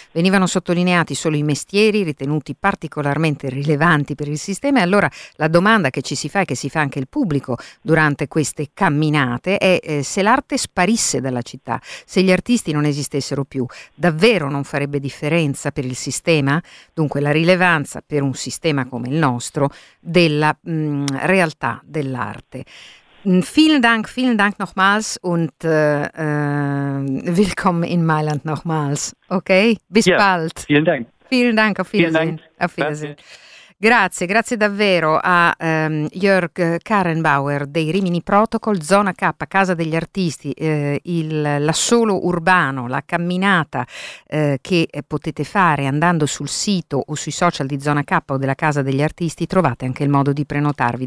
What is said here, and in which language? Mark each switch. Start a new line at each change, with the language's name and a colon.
Italian: Venivano sottolineati solo i mestieri ritenuti particolarmente rilevanti per il sistema, e allora la domanda che ci si fa e che si fa anche il pubblico durante queste camminate è se l'arte sparisse dalla città, se gli artisti non esistessero più, davvero non farebbe differenza per il sistema, dunque la rilevanza per un sistema come il nostro della realtà dell'arte.
German: Vielen Dank nochmals und willkommen in Mailand nochmals, ok? Bis ja, bald. Vielen Dank. Vielen Dank, auf Wiedersehen.
Italian: Grazie davvero a Jörg Karrenbauer dei Rimini Protocol, Zona K, Casa degli Artisti, l'assolo urbano, la camminata che potete fare andando sul sito o sui social di Zona K o della Casa degli Artisti, trovate anche il modo di prenotarvi.